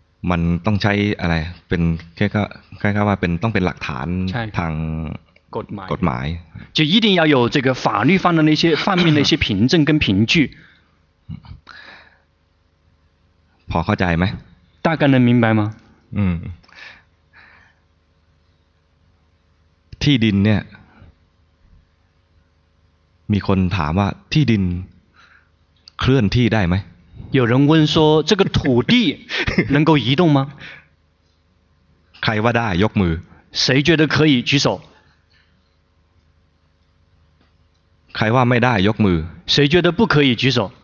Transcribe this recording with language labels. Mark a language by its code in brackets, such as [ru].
[th] มันต้องใช้อะไรเป็นแค่ว่าเป็นต้องเป็นหลักฐานทาง [zh] กฎหมาย就一定要有这个法律方的那些方面的一些凭证跟凭据 [th] พอเข้าใจไหม [zh] 大概能明白吗 [th] 嗯ที่ดินเนี่ยมีคนถามว่าที่ดินเคลื่อนที่ได้ไหม [zh] 有人问说这个土地能够移动吗 [th] ใครว่าได้ยกมือ [zh] 谁觉得可以举手 [th] ใครว่าไม่ได้ยกมือ [zh] 谁觉得不可以举手